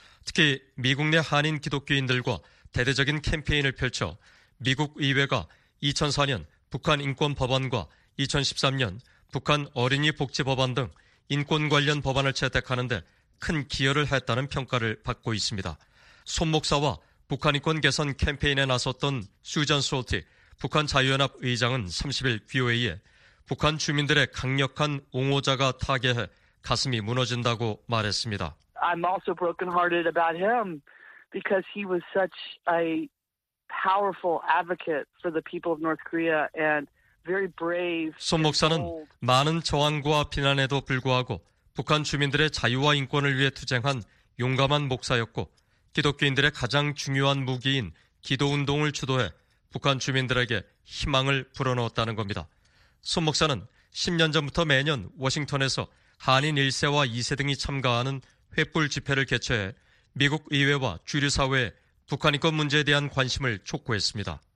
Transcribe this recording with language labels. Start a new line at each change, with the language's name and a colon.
Korean: 특히 미국 내 한인 기독교인들과 대대적인 캠페인을 펼쳐 미국 의회가 2004년 북한 인권법안과 2013년 북한 어린이 복지법안 등 인권 관련 법안을 채택하는 데 큰 기여를 했다는 평가를 받고 있습니다. 손 목사와 북한 인권 개선 캠페인에 나섰던 수잔 솔티 북한 자유연합 의장은 30일 BOA에 북한 주민들의 강력한 옹호자가 타계해 가슴이 무너진다고 말했습니다.
English: I'm also brokenhearted about him because he was such a powerful advocate for the people of North Korea and very brave.
Korean: 손 목사는 많은 저항과 비난에도 불구하고 북한 주민들의 자유와 인권을 위해 투쟁한 용감한 목사였고 기독교인들의 가장 중요한 무기인 기도 운동을 주도해 북한 주민들에게 희망을 불어넣었다는 겁니다. 손 목사는 10년 전부터 매년 워싱턴에서 한인 1세와 2세 등이 참가하는 횃불 집회를 개최해 미국 의회와 주류 사회에 북한 인권 문제에 대한 관심을 촉구했습니다.